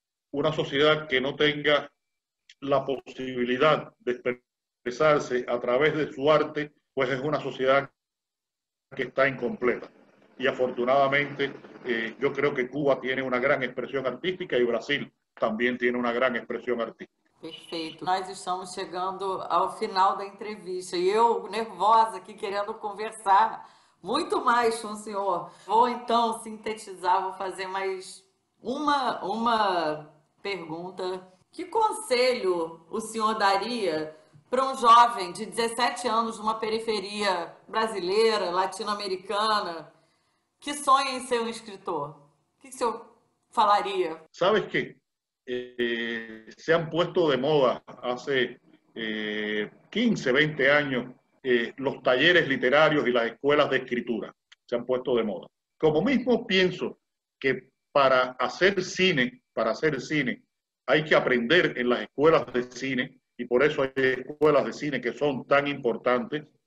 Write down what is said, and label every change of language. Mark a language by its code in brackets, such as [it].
[es] Una sociedad que no tenga la posibilidad de expresarse a través de su arte, pues es una sociedad que está incompleta. Y afortunadamente, yo creo que Cuba tiene una gran expresión artística y Brasil también tiene una gran expresión artística. Perfecto. [pt] Nós estamos chegando ao final da entrevista e eu, nervosa aqui, querendo conversar muito mais com o senhor. Vou então sintetizar, vou fazer mais uma pergunta. Que conselho o senhor daria para um jovem de 17 anos numa periferia brasileira, latino-americana, que sonha em ser um escritor? O que o senhor falaria? [es] Sabe que se han puesto de moda hace 15, 20 años los talleres literarios y las escuelas de escritura. Se han puesto de moda. Como mismo pienso que para hacer cine, hay que aprender en las escuelas de cine, y por eso hay escuelas de cine que son tan importantes.